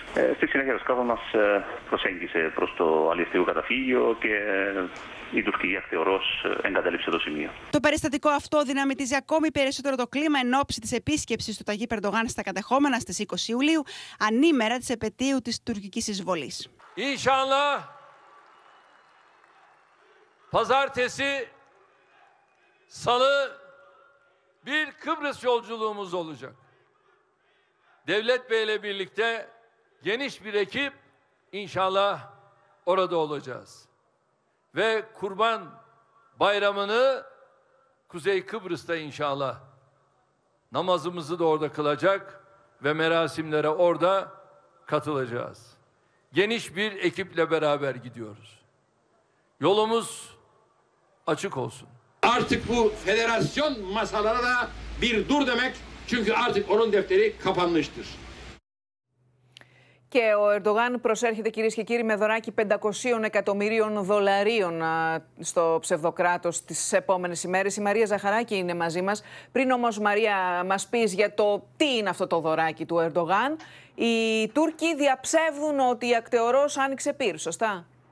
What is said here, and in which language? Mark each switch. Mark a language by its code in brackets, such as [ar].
[el] Στη συνέχεια το σκάφος μας προσέγγισε προς το αλιευτικό καταφύγιο και η τουρκική ακτεωρός εγκατέλειψε το σημείο. Το περιστατικό αυτό δυναμητίζει ακόμη περισσότερο το κλίμα εν ώψη της επίσκεψης του Ταγί Περντογάν στα κατεχόμενα στις 20 Ιουλίου, ανήμερα της επετείου της τουρκικής εισβολής. Ινσάλλα, παζάρτεση, σαλή, [tr] bir Kıbrıs yolculuğumuz olacak. Devlet Bey ile birlikte geniş bir ekip inşallah orada olacağız. Ve Kurban Bayramı'nı Kuzey Kıbrıs'ta inşallah namazımızı da orada kılacak ve merasimlere orada katılacağız. Geniş bir ekiple beraber gidiyoruz. Yolumuz açık olsun. Artık bu federasyon masalara da bir dur demek, çünkü artık onun defteri kapanmıştır. [el] Και ο Ερντογάν προσέρχεται, κυρίες και κύριοι, με δωράκι 500 εκατομμυρίων δολαρίων στο ψευδοκράτος τις επόμενες ημέρες. Η Μαρία Ζαχαράκη είναι μαζί μας. Πριν όμως, Μαρία, μας πεις για το τι είναι αυτό το δωράκι του Ερντογάν. Οι Τούρκοι διαψεύδουν ότι η ακτεωρός άνοιξε πυρ, σωστά?